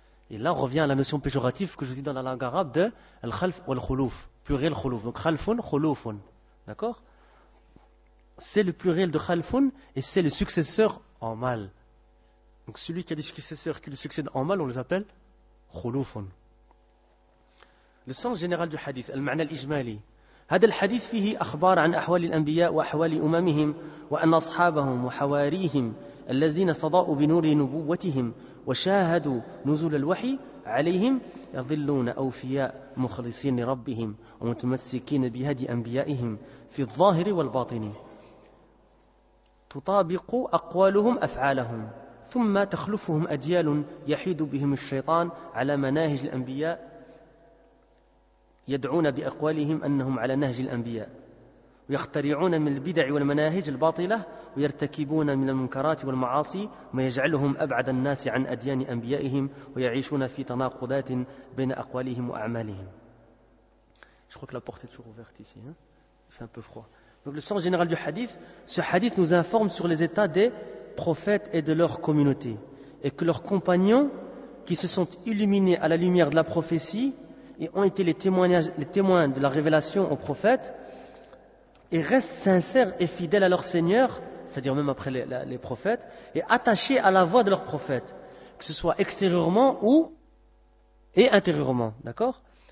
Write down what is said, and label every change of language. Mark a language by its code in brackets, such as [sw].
[fr] Et là, on revient à la notion péjorative que je vous dis dans la langue arabe de al-khalf ou al-khulouf, pluriel khulouf. Donc, khalfun, khulufun. D'accord? C'est le pluriel de khalfun et c'est le successeur en mal. Donc, celui qui a des successeurs qui le succèdent en mal, on les appelle khulufun. Le sens général du hadith, al-ma'na al-ijmali. [ar] هذا الحديث فيه أخبار عن أحوال الأنبياء وأحوال أممهم وأن أصحابهم وحواريهم الذين استضاءوا بنور نبوتهم وشاهدوا نزول الوحي عليهم يظلون أوفياء مخلصين لربهم ومتمسكين بهدي أنبيائهم في الظاهر والباطن تطابق أقوالهم أفعالهم ثم تخلفهم أجيال يحيد بهم الشيطان على مناهج الأنبياء يدعون بأقوالهم أنهم على نهج الأنبياء ويخترعون من البدع والمناهج الباطلة ويرتكبون من المنكرات والمعاصي ما يجعلهم أبعد الناس عن أديان أنبيائهم ويعيشون في تناقضات بين أقوالهم وأعمالهم. [fr] Je crois que la porte est toujours ouverte ici, hein? Il fait un peu froid. Donc le sens général du hadith, ce hadith nous informe sur les états des prophètes et de leur communauté et que leurs compagnons qui se sont illuminés à la lumière de la prophétie et ont été les témoins de la révélation aux prophètes, et restent sincères et fidèles à leur Seigneur, c'est-à-dire même après les prophètes, et attachés à la voix de leurs prophètes, que ce soit extérieurement ou et intérieurement, d'accord?